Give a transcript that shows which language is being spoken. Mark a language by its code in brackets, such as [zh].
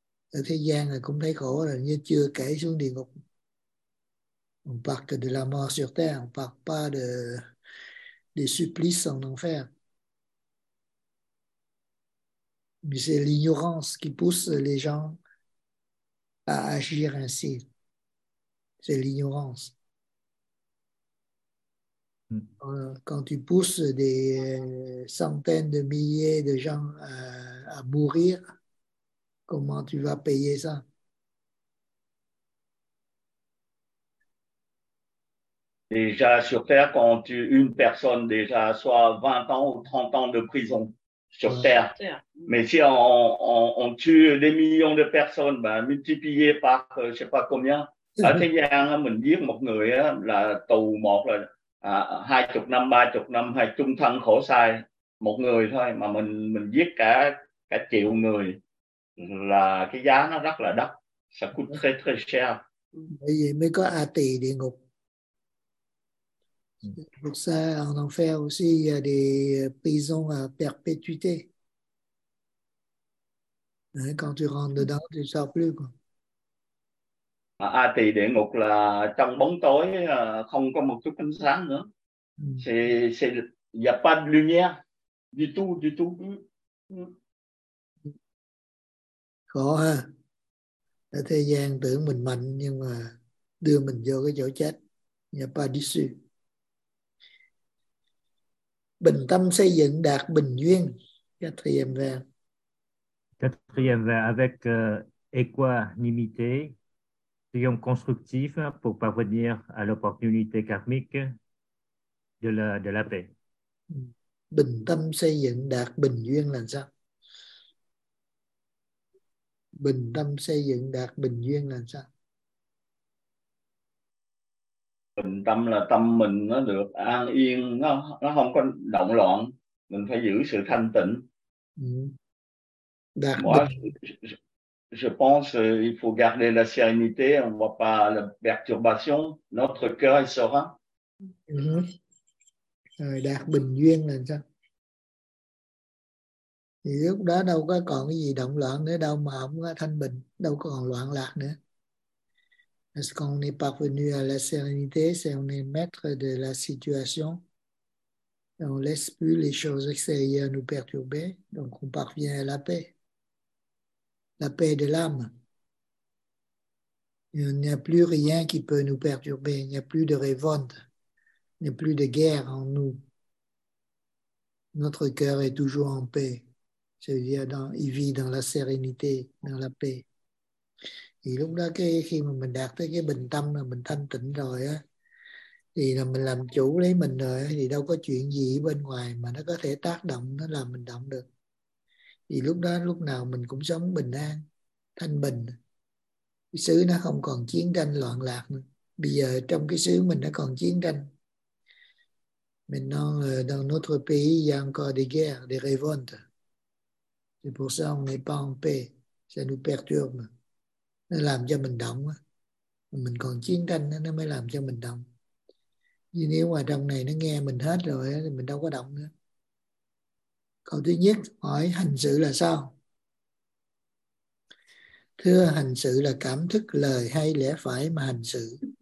[vi] Ở thế gian là cũng thấy khổ rồi, như chưa kể xuống địa ngục. [fr] On part de la mort sur terre, on part pas de des supplices en enfer. Mais c'est l'ignorance qui pousse les gens à agir ainsi. C'est l'ignorance. Quand tu pousses des centaines de milliers de gens à mourir, comment tu vas payer ça? Déjà sur Terre, quand on tue une personne, déjà soit 20 ans ou 30 ans de prison sur Terre. Mais si on tue des millions de personnes, ben, multiplié par je ne sais pas combien, [vi] ở thế gian mình giết một người là tù một là hai chục năm, ba chục năm hay chung thân khổ sai một người thôi, mà mình giết cả triệu người là cái giá nó rất là đắt. [fr] Ça coûte très très cher. [vi] Bởi vì mới có A Tỳ địa ngục. [fr] Pour ça, en enfer aussi, il y a des prisons à perpétuité. Quand tu rentres dedans, tu ne sors plus, quoi. [vi] A Tỳ địa ngục là trong bóng tối, không có một chút ánh sáng nữa. [fr] C'est, il n'y a pas de lumière du tout. [vi] Khó ha. Ở thế gian tưởng mình mạnh nhưng mà đưa mình vô cái chỗ chết. [fr] Il n'y a pas d'issue. [vi] Bình tâm xây dựng đạt bình duyên. [fr] Quatrième vers. Avec équanimité. Soyons constructifs pour parvenir à l'opportunité karmique de la paix. [vi] Bình tâm xây dựng đạt bình duyên là sao? Bình tâm xây dựng đạt bình duyên là sao? Bình tâm là tâm mình nó được an yên, nó không có động loạn. Mình phải giữ sự thanh tịnh. Đạt [fr] Moi, [vi] bình. [fr] Je pense qu'il faut garder la sérénité, on ne voit pas la perturbation. Notre cœur est serein. [vi] Đạt bình duyên là sao? Thì lúc đó đâu có còn cái gì động loạn nữa đâu, mà không có thanh bình, đâu còn loạn lạc nữa. [fr] Est-ce qu'on est parvenu à la sérénité, c'est on est maître de la situation. Et on ne laisse plus les choses extérieures nous perturber, donc on parvient à la paix. La paix de l'âme. Il n'y a plus rien qui peut nous perturber. Il n'y a plus de révolte. Il n'y a plus de guerre en nous. Notre cœur est toujours en paix. C'est-à-dire, il vit dans la sérénité, dans la paix. [vi] Et lúc đó, khi mà mình đạt tới cái bình tâm, mình thanh tịnh rồi á, thì là mình làm chủ lấy mình rồi, thì đâu có chuyện gì bên ngoài mà nó có thể tác động, nó làm mình động được. Thì lúc đó lúc nào mình cũng sống bình an, thanh bình. Cái xứ nó không còn chiến tranh loạn lạc nữa. Bây giờ trong cái xứ mình nó còn chiến tranh. [fr] Maintenant, dans notre pays, il y a encore des guerres, des révoltes. C'est pour ça qu'on n'est pas en paix. Ça nous perturbe. [vi] Nó làm cho mình động. Mình còn chiến tranh, nó mới làm cho mình động. Vì nếu mà trong này nó nghe mình hết rồi, thì mình đâu có động nữa. Câu thứ nhất hỏi hành xử là sao? Thưa, hành xử là cảm thức lời hay lẽ phải mà hành xử.